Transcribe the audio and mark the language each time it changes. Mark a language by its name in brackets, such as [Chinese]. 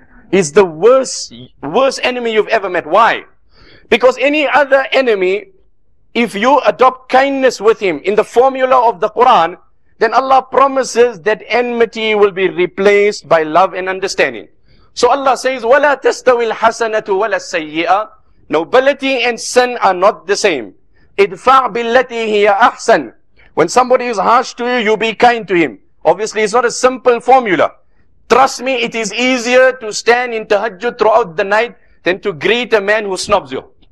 [English] It's the worst enemy you've ever met. Why? Because any other enemy, if you adopt kindness with him in the formula of the Quran, then Allah promises that enmity will be replaced by love and understanding. So Allah says, [Arabic] وَلَا تَسْتَوِي الْحَسَنَةُ وَلَا السَّيِّئَةُ. [English] Nobility and sin are not the same. [Arabic] ادْفَعْ بِالَّتِي هِيَ أَحْسَنُ. [English] When somebody is harsh to you, you be kind to him. Obviously, it's not a simple formula. Trust me, it is easier to stand in tahajjud throughout the night than to greet a man who snubs you.